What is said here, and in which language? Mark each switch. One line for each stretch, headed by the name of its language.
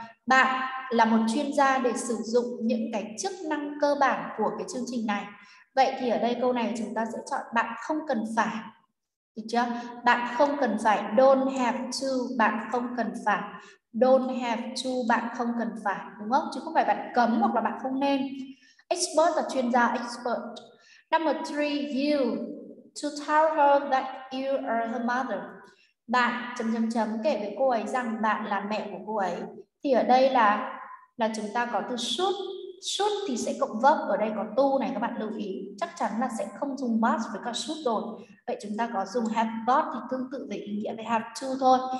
Vietnamese: Bạn là một chuyên gia để sử dụng những cái chức năng cơ bản của cái chương trình này. Vậy thì ở đây câu này chúng ta sẽ chọn bạn không cần phải. Được chưa? Bạn không cần phải.
English: Don't have to.
Vietnamese: Bạn không cần phải. Don't have to. Bạn không cần phải. Đúng không? Chứ không phải bạn cấm hoặc là bạn không nên. Expert là chuyên gia. Expert.
English: Number three, you to tell her that you are her mother.
Vietnamese: Bạn ... kể với cô ấy rằng bạn là mẹ của cô ấy. Thì ở đây là chúng ta có từ should. Should thì sẽ cộng verb, ở đây có to này, các bạn lưu ý chắc chắn là sẽ không dùng must với cả should rồi. Vậy chúng ta có dùng have got thì tương tự về ý nghĩa về have to thôi.